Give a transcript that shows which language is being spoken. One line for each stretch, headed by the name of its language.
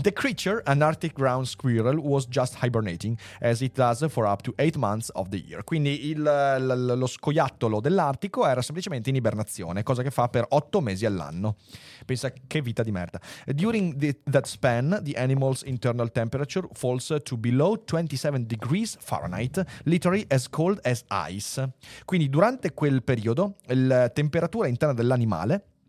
English: The creature, an Arctic ground squirrel, was just hibernating, as it does for up to 8 months of the year.
Italian: Quindi lo scoiattolo dell'Artico era semplicemente in ibernazione, cosa che fa per 8 mesi all'anno. Pensa che vita di merda.
English: During that span, the animal's internal temperature falls to below 27 degrees Fahrenheit, literally as cold as ice.
Italian: Quindi durante quel periodo, la temperatura interna dell'animale